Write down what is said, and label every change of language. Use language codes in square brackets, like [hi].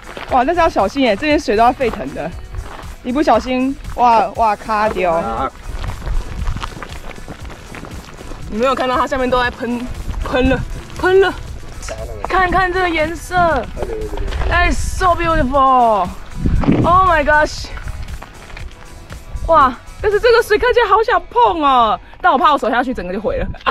[zh] 哇，但是要小心耶，这边水都要沸腾的，一不小心，哇哇卡掉。你没有看到它下面都在喷，喷了，喷了。看看这个颜色 ， [en] That is so beautiful. Oh my gosh. [zh] 哇，但是这个水看起来好想碰哦，但我怕我手下去整个就毁了。